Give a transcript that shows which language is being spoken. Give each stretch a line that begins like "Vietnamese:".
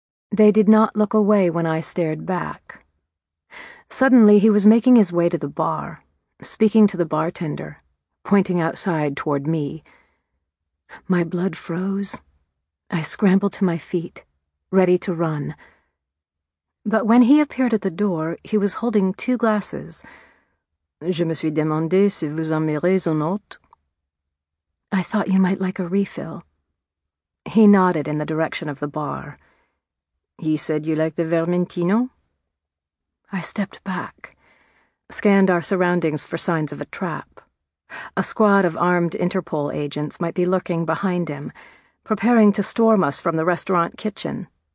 English: They did not look away when I stared back. Suddenly, he was making his way to the bar, speaking to the bartender, pointing outside toward me. My blood froze. I scrambled to my feet, ready to run. But when he appeared at the door, he was holding two glasses.
French: Je me suis demandé si vous en mirez un autre.
English: I thought you might like a refill. He nodded in the direction of the bar. He said you like the Vermentino? I stepped back, scanned our surroundings for signs of a trap. A squad of armed Interpol agents might be lurking behind him, preparing to storm us from the restaurant kitchen.